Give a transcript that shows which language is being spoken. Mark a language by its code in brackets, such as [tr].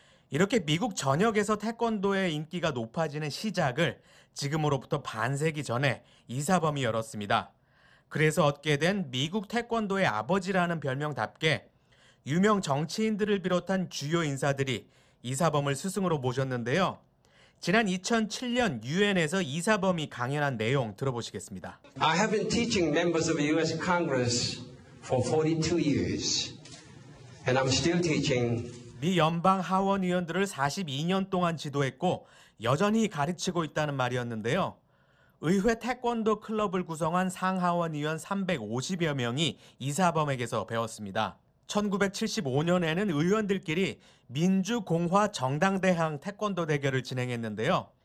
[ko] 이렇게 미국 전역에서 태권도의 인기가 높아지는 시작을 지금으로부터 반세기 전에 이사범이 열었습니다. 그래서 얻게 된 미국 태권도의 아버지라는 별명답게 유명 정치인들을 비롯한 주요 인사들이 이사범을 스승으로 모셨는데요. 지난 2007년 UN에서 이사범이 강연한 내용 들어보시겠습니다. [en] I have been teaching members of US Congress for 42 years and I'm still teaching. [ko] 미 연방 하원 의원들을 42년 동안 지도했고 여전히 가르치고 있다는 말이었는데요. 의회 태권도 클럽을 구성한 상하원 의원 350여 명이 이사범에게서 배웠습니다. 1975년에는 의원들끼리 민주공화정당대항 태권도 대결을 진행했는데요.